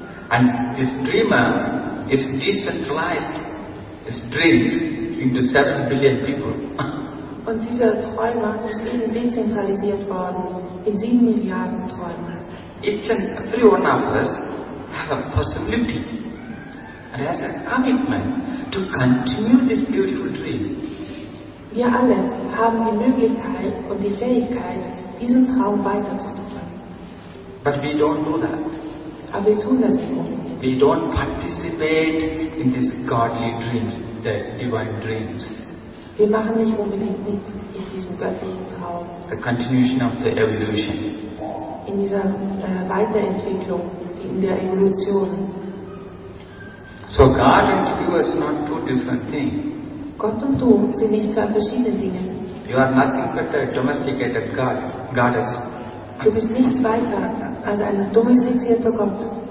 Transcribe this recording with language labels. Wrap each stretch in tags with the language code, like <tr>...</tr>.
<en>And this dreamer is decentralized his dreams into 7 billion people.</en> <de>Und dieser Träumer ist eben dezentralisiert worden in 7 Milliarden Träumer.</de> <en>Each and every one of us have a possibility and has a commitment to continue this beautiful dream.</en> <de>Wir alle haben die Möglichkeit und die Fähigkeit, diesen Traum weiterzutreiben.</de> <en>But we don't do that.</en> <de>Aber wir tun das nicht.</de> <en>We don't participate in these godly dreams, the divine dreams.</en> <de>Wir machen nicht unbedingt mit in diesem göttlichen Traum.</de> <en>The continuation of the evolution.</en> <de>In dieser Weiterentwicklung, in der Evolution.</de> <en>So God and you are not two different things.</en> <de>Gott und du sind nicht zwei verschiedene Dinge.</de> <en>You are nothing but a domesticated God, goddess.</en> <de>Du bist nichts weiter als ein domestizierter Gott.</de>